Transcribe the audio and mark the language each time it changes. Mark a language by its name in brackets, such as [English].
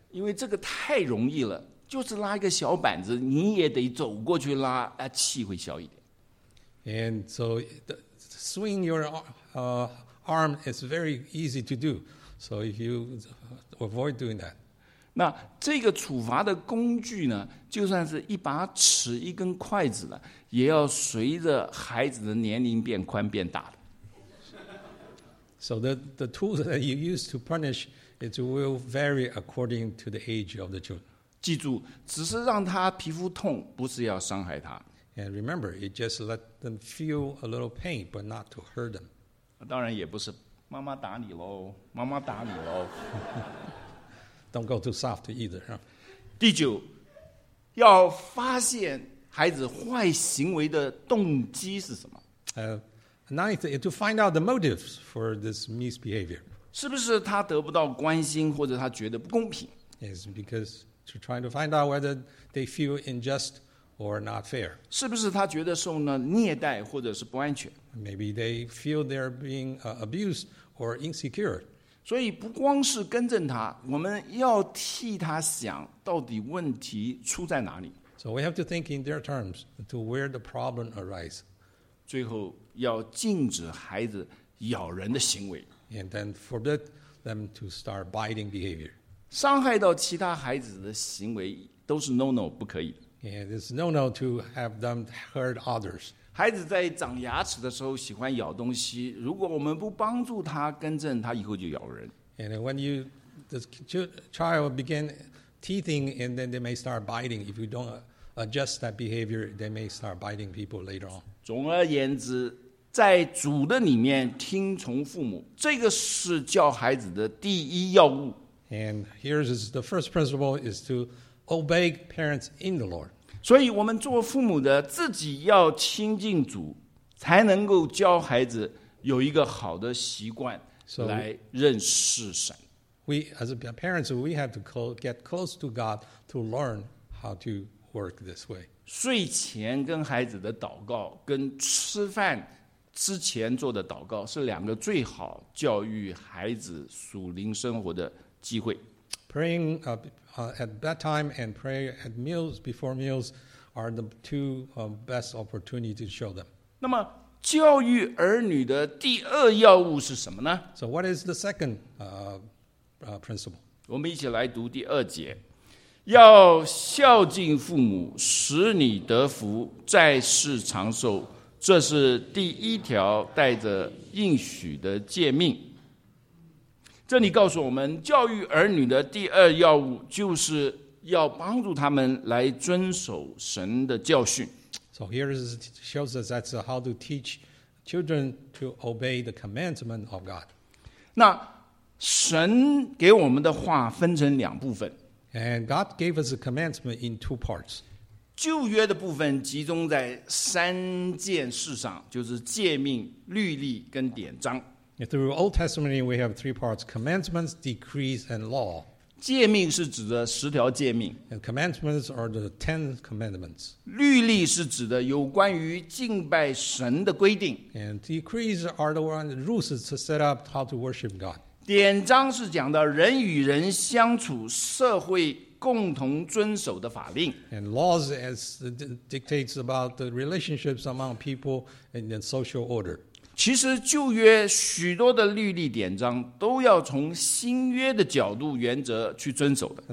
[Chinese] 因为这个太容易了，就是拉一个小板子，你也得走过去拉，啊，气会消一点。 [English] And so swing your arm is very easy to do. So if you avoid doing that. [Chinese] 那这个处罚的工具呢，就算是一把尺一根筷子了，也要随着孩子的年龄变宽变大的。 [English] So the tools that you use to punish, it will vary according to the age of the children. [Chinese] 记住，只是让他皮肤痛，不是要伤害他。 [English] And remember, it just let them feel a little pain, but not to hurt them. [Chinese] 当然也不是妈妈打你喽，妈妈打你喽。 [English] Don't go too soft either. [Chinese] 第九，要发现孩子坏行为的动机是什么。 [English] Ninth, to find out the motives for this misbehavior. [Chinese] 是不是他得不到关心，或者他觉得不公平？ [English] Is because to try to find out whether they feel unjust. Or not fair. [Chinese] 是不是他觉得受了虐待或者是不安全？ [English] Maybe they feel they're being abused or insecure. [Chinese] 所以不光是更正他，我们要替他想到底问题出在哪里。 [English] So we have to think in their terms to where the problem arises. [Chinese] 最后要禁止孩子咬人的行为。 [English] And then forbid them to start biting behavior. [Chinese] 伤害到其他孩子的行为都是 no-no, 不可以的。 [English] And it's no-no to have them hurt others. [Chinese] 孩子在长牙齿的时候喜欢咬东西，如果我们不帮助他更正，他以后就咬人。 [English] And when you, the child begin teething, and then they may start biting. If you don't adjust that behavior, they may start biting people later on. [Chinese] 总而言之，在主的里面听从父母，这个是教孩子的第一要务。 [English] And here's the first principle is to. Obey parents in the Lord. [Chinese] 所以我们做父母的自己要亲近主，才能够教孩子有一个好的习惯来认识神。 [English] We as parents, we have to get close to God to learn how to work this way. [Chinese] 睡前跟孩子的祷告跟吃饭之前做的祷告是两个最好教育孩子属灵生活的机会。 [English] Praying at bedtime and pray at meals before meals are the two best opportunities to show them. [Chinese] 那么教育儿女的第二要务是什么呢？ [English] So what is the second principle? [Chinese] 我们一起来读第二节，要孝敬父母，使你得福，在世长寿，这是第一条带着应许的诫命。这里告诉我们，教育儿女的第二要务就是要帮助他们来遵守神的教训。 [English] So here it shows us that's how to teach children to obey the commandment of God. [Chinese] 那神给我们的话分成两部分。 [English] And God gave us a commandment in two parts. [Chinese] 旧约的部分集中在三件事上，就是诫命、律例跟典章。 [English] Through Old Testament, we have three parts, commandments, decrees, and law. [Chinese] 诫命是指的十条诫命。 [English] And commandments are the ten commandments. [Chinese] 律例是指的有关于敬拜神的规定。 [English] And decrees are the rules to set up how to worship God. [Chinese] 典章是讲的人与人相处社会共同遵守的法令。 [English] And laws as dictates about the relationships among people and the social order. [Chinese] 其实旧约许多的律例典章都要从新约的角度原则去遵守的。